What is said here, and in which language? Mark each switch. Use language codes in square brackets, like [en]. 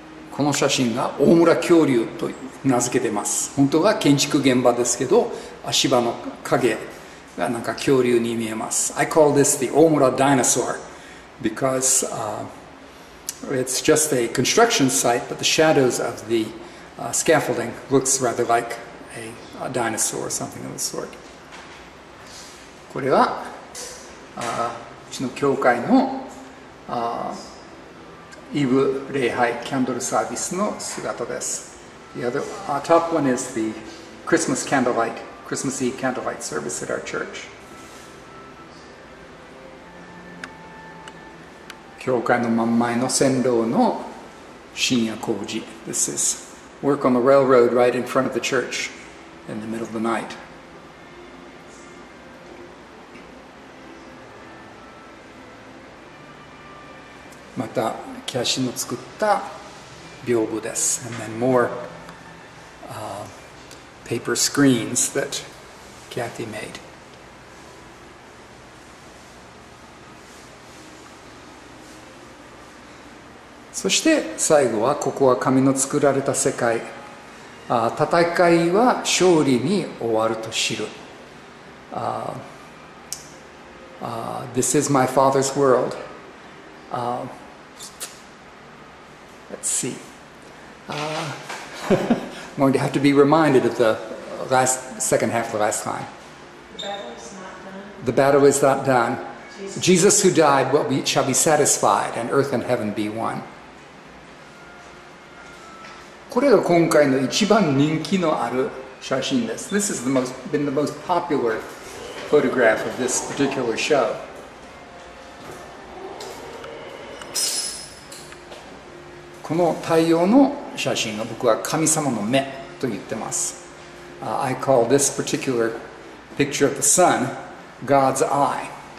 [ja] この写真が大村恐竜と名付けてます。本当は建築現場ですけど、足場の影がなんか恐竜に見えます。 [en] I call this the Omura dinosaur because it's just a construction site, but the shadows of the scaffolding looks rather like a dinosaur or something of the sort. [ja] これはうちの教会のイブ礼拝キャンドルサービスの姿です。 [en] The other, our top one is the Christmas candlelight, Christmas Eve candlelight service at our church. [ja] 教会の真ん前の線路の深夜工事。 [en] This is work on the railroad right in front of the church in the middle of the night. [ja] またキャシの作った屏風です。 [en] And then more paper screens that Kathy made. [ja] そして最後はここは神の作られた世界。戦いは勝利に終わると知る。 [en] This is my father's world. Let's see. I'm going to have to be reminded of the last, second half of the last line. The battle is not done. Jesus who died shall be satisfied and earth and heaven be one. [ja] これが今回の一番人気のある写真です。 [en] This has been the most popular photograph of this particular show. [ja] この太陽の写真を僕は神様の目と言ってます。 [en] I call this particular picture of the sun God's eye.